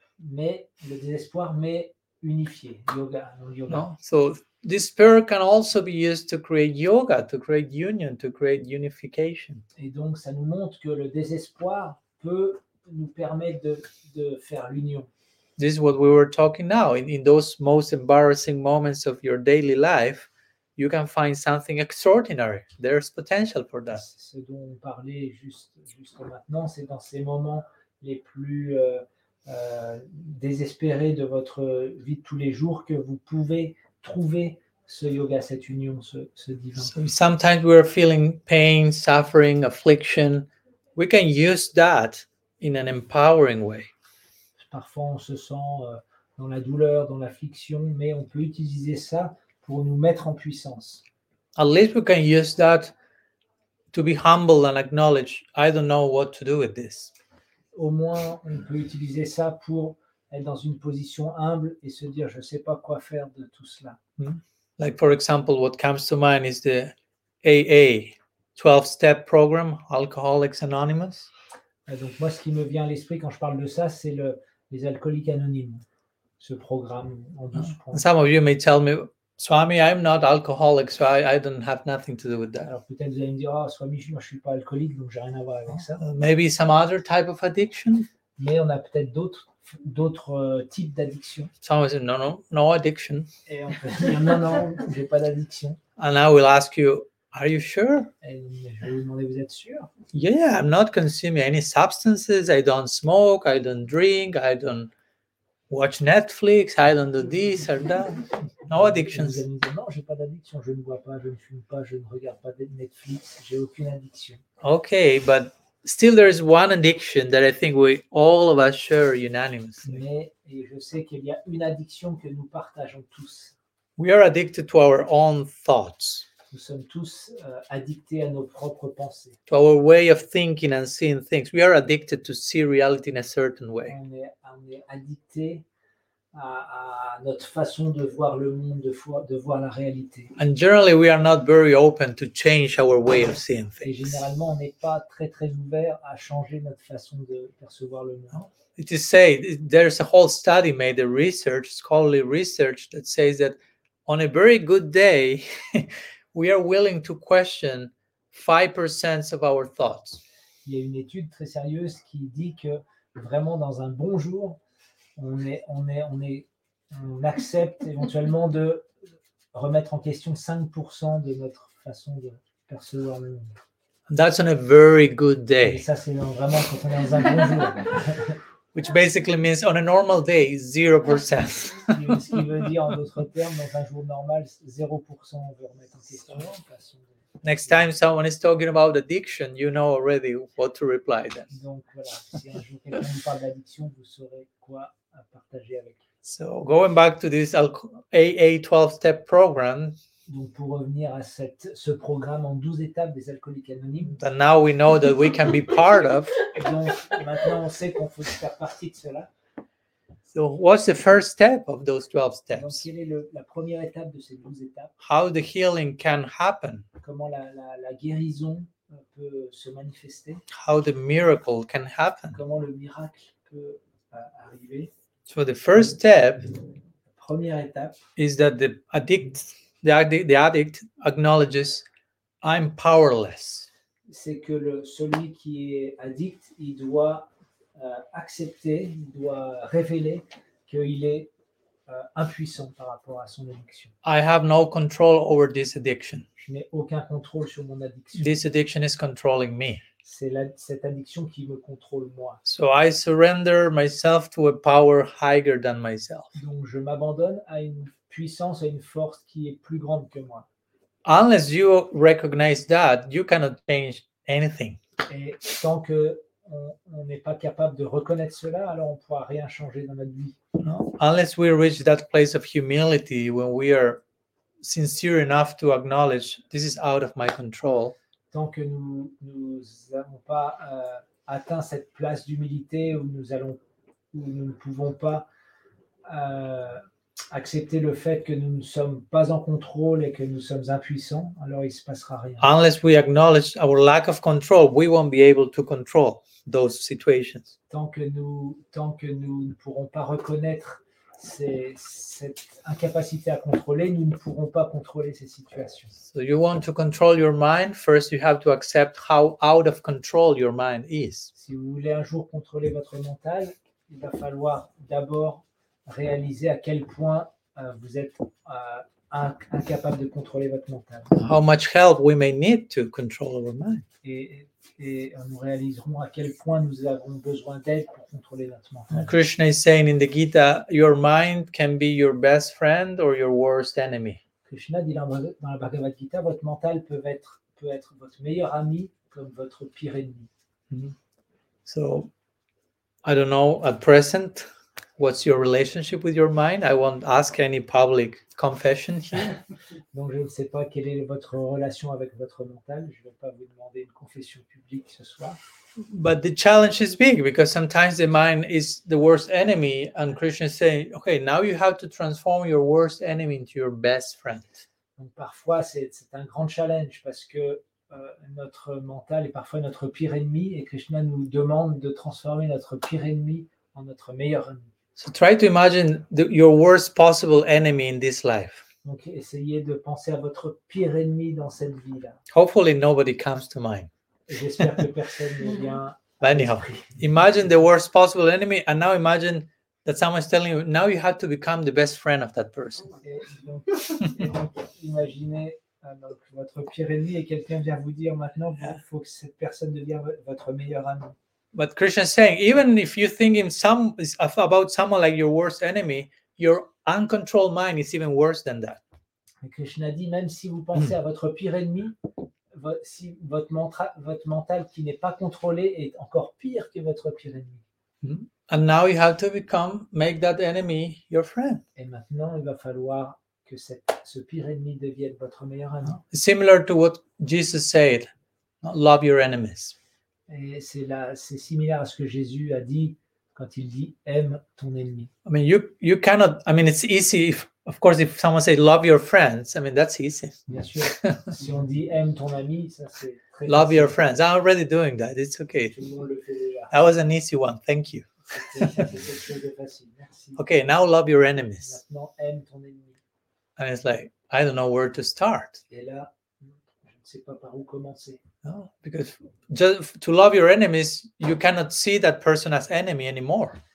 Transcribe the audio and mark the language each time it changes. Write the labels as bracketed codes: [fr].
[fr] Mais le désespoir met unifié, yoga. Yoga. [en] No? So despair can also be used to create yoga, to create union, to create unification. [fr] Et donc, ça nous montre que le désespoir peut nous permettre de faire l'union. [en] This is what we were talking now. In those most embarrassing moments of your daily life, you can find something extraordinary. There's potential for that. [fr] Ce dont on parlait jusqu'à maintenant, c'est dans ces moments les plus désespérés de votre vie de tous les jours que vous pouvez trouver ce yoga, cette union, ce divin. [en] So sometimes we are feeling pain, suffering, affliction. We can use that in an empowering way. [fr] Parfois, on se sent dans la douleur, dans l'affliction, mais on peut utiliser ça pour nous mettre en puissance. [en] At least we can use that to be humble and acknowledge, I don't know what to do with this. [fr] Au moins, on peut utiliser ça pour être dans une position humble et se dire, je ne sais pas quoi faire de tout cela. Mm-hmm. [en] Like, for example, what comes to mind is the AA, 12-step program, Alcoholics Anonymous. [fr] Donc, moi, ce qui me vient à l'esprit quand je parle de ça, c'est les alcooliques anonymes, ce programme en 12 points. [en] Some of you may tell me, Swami, I'm not alcoholic, so I don't have nothing to do with that. [fr] Alors, peut-être vous allez me dire, oh, Swami, moi, je ne suis pas alcoolique, donc je n'ai rien à voir avec ça. [en] Maybe some other type of addiction. [fr] Mais on a peut-être d'autres types d'addiction. [en] Some of you say, no addiction. [fr] Et on peut dire, non, je n'ai pas d'addiction. [en] And I will ask you, are you sure? [fr] Et je vais vous demander, vous êtes sûr? [en] Yeah, I'm not consuming any substances. I don't smoke, I don't drink, I don't watch Netflix, I don't do this or that. No addictions. [fr] Vous allez me dire, non, je n'ai pas d'addiction. Je ne bois pas, je ne fume pas, je ne regarde pas de Netflix. Je n'ai aucune addiction. [en] Okay, but still there is one addiction that I think we all of us share unanimously. [fr] Mais et je sais qu'il y a une addiction que nous partageons tous. [en] We are addicted to our own thoughts. [fr] Nous sommes tous addictés à nos propres pensées. [en] To our way of thinking and seeing things. We are addicted to see reality in a certain way. [fr] On est addictés à notre façon de voir le monde, de voir la réalité. [en] And generally we are not very open to change our way of seeing things. [fr] Et généralement on n'est pas très très ouvert à changer notre façon de percevoir le monde. [en] It is said, there's a whole study made, a research, scholarly research, that says that on a very good day, we are willing to question 5% of our thoughts. [fr] Il y a une étude très sérieuse qui dit que vraiment dans un bon jour, on accepte éventuellement de remettre en question 5% de notre façon de percevoir le monde. [en] That's on a very good day. [fr] Et ça c'est vraiment quand on est dans un bon jour. [en] Which basically means on a normal day, 0%. [fr] Ce qui veut dire, en d'autres termes, dans un jour normal, 0%, on veut remettre en question. [en] Next time someone is talking about addiction, you know already what to reply then. [fr] Donc voilà, si un jour quelqu'un vous parle d'addiction, vous saurez quoi à partager avec lui. [en] So going back to this AA 12-step program. [fr] Donc pour revenir à ce programme en 12 étapes des alcooliques anonymes. [en] But now we know that we can be part of. [fr] Donc maintenant on sait qu'on peut faire partie de cela. [en] So what's the first step of those 12 steps? [fr] Donc quelle est la première étape de ces 12 étapes? [en] How the healing can happen? [fr] Comment la guérison peut se manifester? [en] How the miracle can happen? [fr] Comment le miracle peut arriver? [en] So the first step. [fr] Première étape. [en] Is that the addict acknowledges, I'm powerless. [fr] C'est que celui qui est addict, il doit accepter, il doit révéler qu'il est impuissant par rapport à son addiction. [en] I have no control over this addiction. [fr] Je n'ai aucun contrôle sur mon addiction. [en] This addiction is controlling me. [fr] C'est cette addiction qui me contrôle moi. [en] So I surrender myself to a power higher than myself. [fr] Donc je m'abandonne à une puissance et une force qui est plus grande que moi. [en] Unless you recognize that, you cannot change anything. [fr] Et tant que on n'est pas capable de reconnaître cela, alors on ne pourra rien changer dans notre vie. [en] No? Unless we reach that place of humility when we are sincere enough to acknowledge this is out of my control. [fr] Tant que nous n'avons pas atteint cette place d'humilité où nous ne pouvons pas accepter le fait que nous ne sommes pas en contrôle et que nous sommes impuissants, alors il se passera rien. [en] Unless we acknowledge our lack of control, we won't be able to control those situations. [fr] Tant que nous ne pourrons pas reconnaître cette incapacité à contrôler, nous ne pourrons pas contrôler ces situations. [en] So you want to control your mind, first you have to accept how out of control your mind is. [fr] Si vous voulez un jour contrôler votre mental, il va falloir d'abord réaliser à quel point vous êtes incapable de contrôler votre mental. [en] How much help we may need to control our mind. [fr] Et nous réaliserons à quel point nous avons besoin d'aide pour contrôler notre mental. [en] And Krishna is saying in the Gita, your mind can be your best friend or your worst enemy. [fr] Krishna dit dans la Bhagavad Gita, votre mental peut être votre meilleur ami comme votre pire ennemi. Mm-hmm. [en] So, I don't know at present what's your relationship with your mind. I won't ask any public confession here. [fr] Donc je ne sais pas quelle est votre relation avec votre mental. Je ne vais pas vous demander une confession publique ce soir. [en] But the challenge is big because sometimes the mind is the worst enemy, and Krishna is saying, okay, now you have to transform your worst enemy into your best friend. [fr] Donc parfois c'est un grand challenge parce que notre mental est parfois notre pire ennemi, et Krishna nous demande de transformer notre pire ennemi en notre meilleur ennemi. [en] So try to imagine your worst possible enemy in this life. [fr] Donc essayez de penser à votre pire ennemi dans cette vie-là. [en] Hopefully nobody comes to mind. [fr] J'espère que personne ne vient. [en] But anyhow, imagine the worst possible enemy, and now imagine that someone is telling you, now you have to become the best friend of that person. [fr] Donc imaginez. Donc, votre pire ennemi, et quelqu'un vient vous dire maintenant, il faut que cette personne devienne votre meilleur ami. [en] But Krishna is saying, even if you think about someone like your worst enemy, your uncontrolled mind is even worse than that. [fr] Et Krishna dit, même si vous pensez à votre pire ennemi, votre mental qui n'est pas contrôlé est encore pire que votre pire ennemi. [en] And now you have to make that enemy your friend. [fr] Et maintenant, il va falloir que ce pire ennemi devienne votre meilleur ami. [en] Similar to what Jesus said, love your enemies. [fr] Et c'est similaire à ce que Jésus a dit quand il dit aime ton ennemi. [en] I mean, you cannot. I mean, it's easy. If someone says love your friends, I mean that's easy. [fr] Bien sûr. Si on dit aime ton ami, ça c'est très. [en] Love [fr] facile. [en] Your friends. I'm already doing that. It's okay. [fr] Tout le monde le fait déjà. [en] That was an easy one. Thank you. [fr] C'est facile. Merci. [en] Okay, now love your enemies. [fr] Maintenant, aime ton ennemi. [en] And it's like, I don't know where to start. [fr] Et là, je ne sais pas par où commencer. [en] No, because just to love your enemies, you cannot see that person as enemy anymore.